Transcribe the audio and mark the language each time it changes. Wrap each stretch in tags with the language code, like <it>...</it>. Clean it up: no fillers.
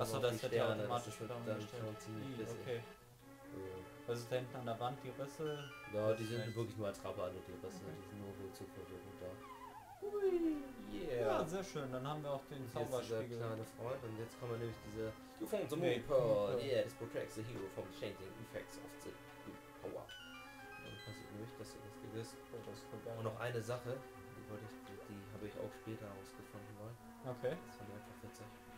<de>auf die Sterne. Ach so, das wird ja automatisch dann schon ziemlich. Also da hinten an der Wand die Risse. Ja, die sind nicht. Wirklich nur Attrappe, also die Risse. Okay. Die sind nur wohl zur Verwirrung da. Hui, yeah. Ja, sehr schön. Dann haben wir auch den Zauberspiegel. Dieser kleine Freund. Und jetzt kommen wir nämlich diese...</de> <en>You found the moon pearl. Yeah, this protects the hero from changing effects of the power.</en> <de>Dann passiert nämlich, dass ihr das gewiss. Oh, das kommt gerne. Und noch eine Sache. Die wollte ich, die habe ich auch später herausgefunden wollen. Okay. Das fand ich einfach witzig.</de>